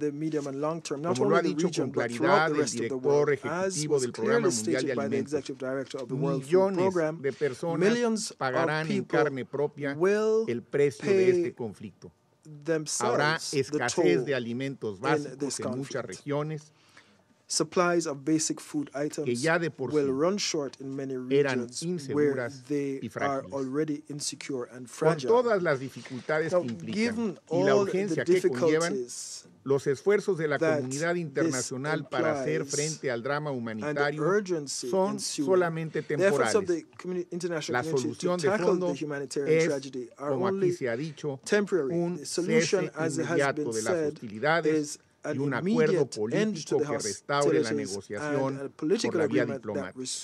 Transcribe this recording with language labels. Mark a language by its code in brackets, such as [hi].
[es] Como lo ha dicho con claridad el director ejecutivo del Programa Mundial de Alimentos, millones de personas pagarán en carne propia el precio de este conflicto. Habrá escasez de alimentos básicos en muchas regiones [en] supplies of basic food items [es] que ya de por [en] will run short in many regions where they are already insecure and fragile. [es] Con todas las dificultades que implican y la urgencia que conllevan, los esfuerzos de la comunidad internacional para hacer frente al drama humanitario son solamente temporales. La solución de fondo es, como aquí se ha dicho, un cese inmediato de las hostilidades y un acuerdo político que restaure la negociación por la vía diplomática.